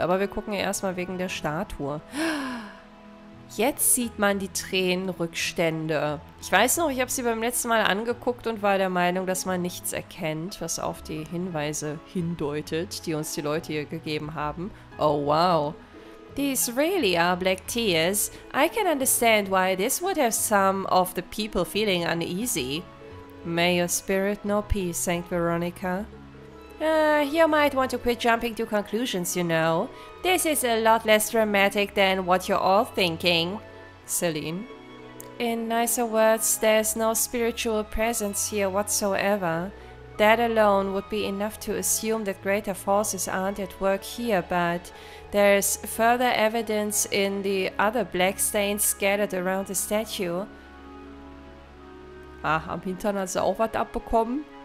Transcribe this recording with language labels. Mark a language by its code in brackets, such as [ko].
[de] Aber wir gucken ja erstmal wegen der Statue. Jetzt sieht man die Tränenrückstände. Ich weiß noch, ich habe sie beim letzten Mal angeguckt und war der Meinung, dass man nichts erkennt, was auf die Hinweise hindeutet, die uns die Leute hier gegeben haben. [en] Oh, wow. These really are black tears. I can understand why this would have some of the people feeling uneasy. May your spirit know peace, Saint Veronica. You might want to quit jumping to conclusions, you know. This is a lot less dramatic than what you're all thinking. Celine. In nicer words, there's no spiritual presence here whatsoever. That alone would be enough to assume that greater forces aren't at work here, but there's further evidence in the other black stains scattered around the statue. [de] Ach, am Hintern hat sie auch was abbekommen.